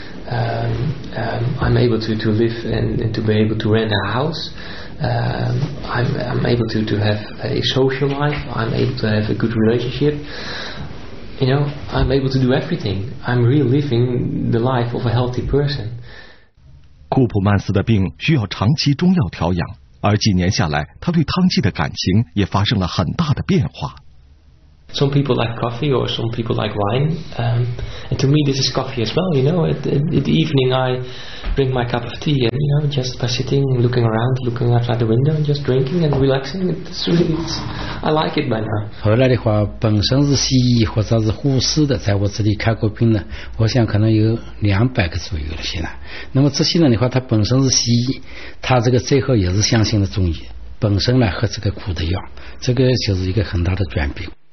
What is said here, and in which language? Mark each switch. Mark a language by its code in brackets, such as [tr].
[en] I'm able to live and to be able to rent a house. I'm able to have a social life. I'm able to have a good relationship. You know, I'm able to do everything. I'm really living the life of a healthy person. [zh] 库普曼斯的病需要长期中药调养，而几年下来，他对汤剂的感情也发生了很大的变化。 [en] Some people like coffee or some people like wine. And to me, this is coffee as well. You know, in the evening, I bring my cup of tea and, you know, just by sitting, looking around, looking outside the window, and just drinking and relaxing. I like it by now. [zh] 后来的话，本身是西医或者是护士的，在我这里看过病的，我想可能有200个左右了。现在，那么这些人的话，他本身是西医，他这个最后也是相信了中医，本身来喝这个苦的药，这个就是一个很大的转变。